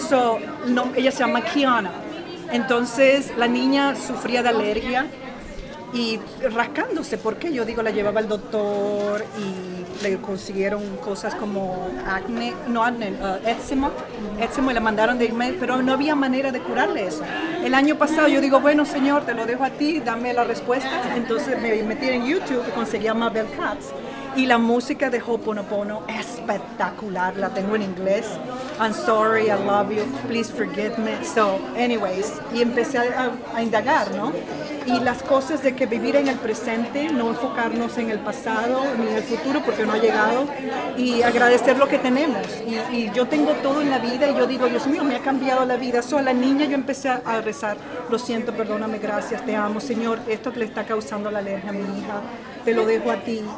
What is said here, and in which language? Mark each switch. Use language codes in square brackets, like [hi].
[es] So, no, ella se llama Kiana. Entonces, la niña sufría de alergia y rascándose, porque yo digo, la llevaba al doctor y le consiguieron cosas como acné, no acné, eczema, eczema, y la mandaron de irme, pero no había manera de curarle eso. El año pasado yo digo, bueno, señor, te lo dejo a ti, dame la respuesta. Entonces me metí en YouTube y conseguí a Mabel Katz, y la música de Ho'oponopono es espectacular, la tengo en inglés. [en] I'm sorry, I love you, please forgive me. So, anyways, [es] y empecé a indagar, ¿no? Y las cosas de que vivir en el presente, no enfocarnos en el pasado ni en el futuro porque no ha llegado, y agradecer lo que tenemos. Y yo tengo todo en la vida y yo digo, Dios mío, me ha cambiado la vida. So, a la niña yo empecé a rezar, lo siento, perdóname, gracias, te amo, Señor, esto que le está causando la alergia a mi hija, te lo dejo a ti.